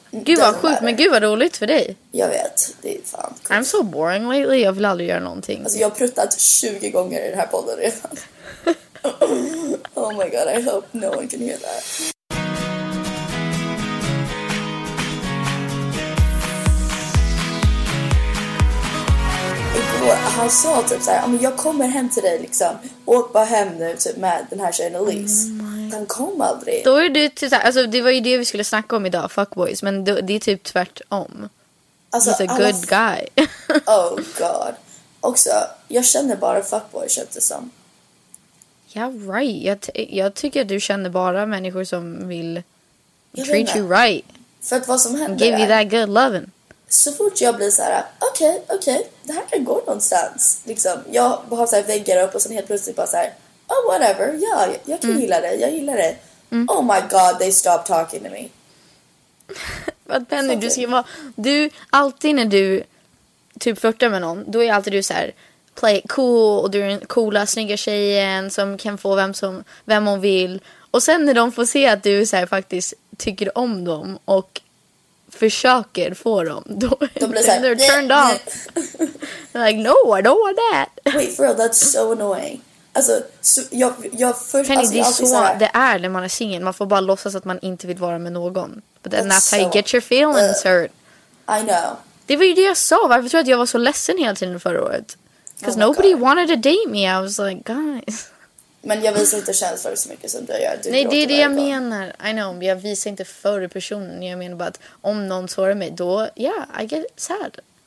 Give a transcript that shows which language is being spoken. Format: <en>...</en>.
<sv>Gud vad sjukt, men gud vad roligt för dig. Jag vet, det är fan cool.</sv> <en>I'm so boring lately,</en> <sv>jag vill aldrig göra någonting. Alltså jag har pruttat 20 gånger i den här podden redan.</sv> <en>Oh my god, I hope no one can hear that.</en> <sv>Han sa typ såhär, jag kommer hem till dig liksom. Åk bara hem nu typ med den här tjejen Elise.</sv> <en>Oh my.</en> <sv>Han kom aldrig. Då är du typ såhär, alltså det var ju det vi skulle snacka om idag, fuckboys, men det är typ tvärtom.</sv> <en>Alltså, he's a good guy. Oh god.</en> <sv>Också, jag känner bara fuckboys, känns det som.</sv> <en>Yeah right,</en> <sv>jag tycker att du känner bara människor som vill</sv> <en>treat you right.</en> <sv>För att vad som händer,</sv> <en>give you that good loving.</en> <sv>Så fort jag blir så här, okej, det här kan gå någonstans. Liksom, jag har så här väggar upp och sen helt plötsligt bara så här,</sv> <en>oh whatever,</en> <sv>ja, jag kan gilla det, jag gillar det. Mm.</sv> <en>Oh my god, they stop talking to me.</en> <sv>Vad Penny, du ska vara, du, alltid när du typ flörtar med någon, då är alltid du så här, play it cool, och du är den coola, snygga tjejen som kan få vem hon vill. Och sen när de får se att du så här, faktiskt tycker om dem och försöker få dem, då de blir såhär,</sv> <en>they're turned off. Like, no, I don't want that. Wait, for real, that's so annoying.</en> <sv>Alltså, so, jag först, Penny, alltså, det är så såhär, det är när man är singel. Man får bara låtsas att man inte vill vara med någon.</sv> <en>But then that's how you get your feelings hurt. I know.</en> <sv>Det var ju det jag sa. Varför tror jag att jag var så ledsen hela tiden förra året?</sv> <en>Because nobody wanted to date me. I was like, guys.</en> <sv>Men jag visar inte känslor så mycket som du gör. Du nej, det är det jag gång. Menar.</sv> <en>I know,</en> <sv>men jag visar inte för personen. Jag menar bara att om någon sårar mig, då,</sv> <en>yeah, I get sad.</en>